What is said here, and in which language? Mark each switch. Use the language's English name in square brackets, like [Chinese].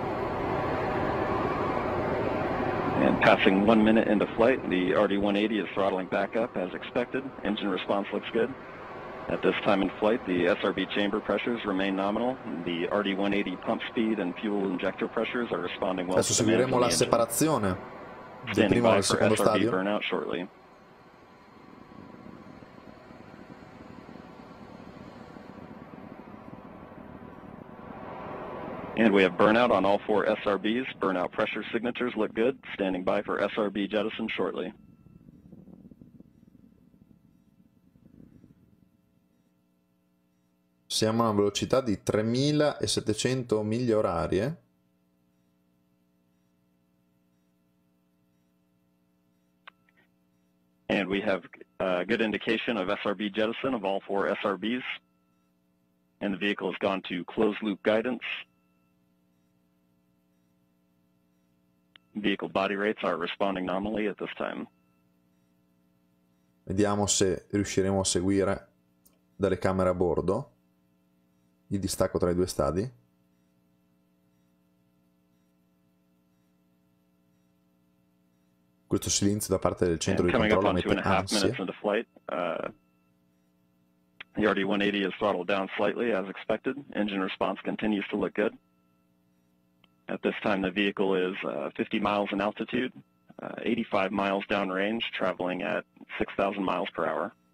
[English] And passing 1 minute into flight, the RD-180 is throttling back up as expected. Engine response looks good. At this time in flight, the SRB chamber pressures remain nominal. The RD-180 pump speed and fuel injector pressures are responding well. [Italian] Adesso seguiremo la separazione del primo e secondo stadio. [English] SRB burnout shortly. And we have burnout on all four SRBs. Burnout pressure signatures look good. Standing by for SRB jettison shortly. [Italian] Siamo a una velocità di 3700 miglia orarie. [English] And we have a good indication of SRB jettison of all four SRBs. And the vehicle has gone to closed loop guidance. Vehicle body rates are responding nominally at this time. [Italian] Vediamo se riusciremo a seguire dalle camere a bordo il distacco tra i due stadi. Questo silenzio da parte del centro di controllo mette ansia. [English] The RD-180 is throttled down slightly as expected. Engine response continues to look good. At this time, the vehicle is 50 miles in altitude, 85 miles downrange, traveling at 6,000 miles per hour.